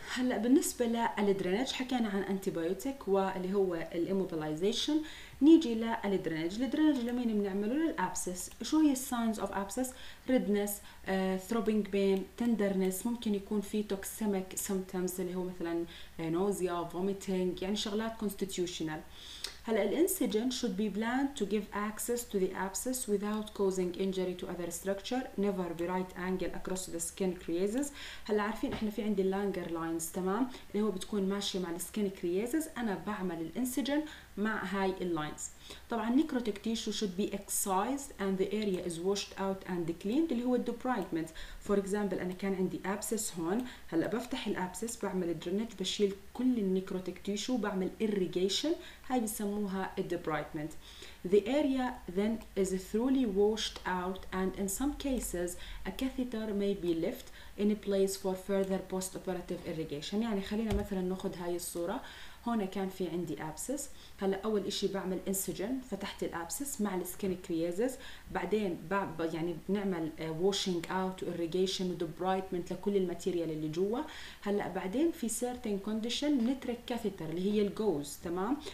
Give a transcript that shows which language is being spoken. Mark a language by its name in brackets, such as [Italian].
[Arabic] هلا بالنسبه للدرينج حكينا عن انتيبيوتيك واللي هو الاموبلايزيشن. نيجي للدرينج. الدرينج لمين بنعمله؟ للابسس. شو هي الساينز اوف ابسس؟ ريدنس، ثروبينج بين، تندرنس، ممكن يكون في توكسيميك سيمتومز اللي هو مثلا نوزيا، فوميتينج، يعني شغلات كونستيتيوشنال. هلا [English] الانسجن should be planned to give access to the abscess without causing injury to other structure, never be right angle across the skin creases. [Arabic] هلا عارفين احنا في عندي لانجر لاينز، تمام، اللي هو بتكون ماشيه مع السكن كريزز، انا بعمل الانسجن مع هاي اللاينز. طبعا [English] necrotic tissue should be excised and the area is washed out and cleaned [Arabic] اللي هو [English] debridement. [Arabic] فور اكزامبل انا كان عندي abscess هون، هلا بفتح الابسس بعمل الدرينج بشيل كل النيكروتيك تيشو بعمل irrigation، هاي بسموها debridement. [English] The area then is thoroughly washed out and in some cases a catheter may be left in place for further post-operative irrigation. [Arabic] يعني خلينا مثلا ناخذ هاي الصورة، هنا كان في عندي ابسس، هلا اول اشي بعمل انسجن، فتحت الابسس مع السكن كريزز، بعدين يعني بنعمل واشينج اوت وايريجيشن ودبرايتمنت لكل الماتيريال اللي جوا. هلا بعدين في سيرتين كونديشن نترك كاثيتر اللي هي الجوز، تمام.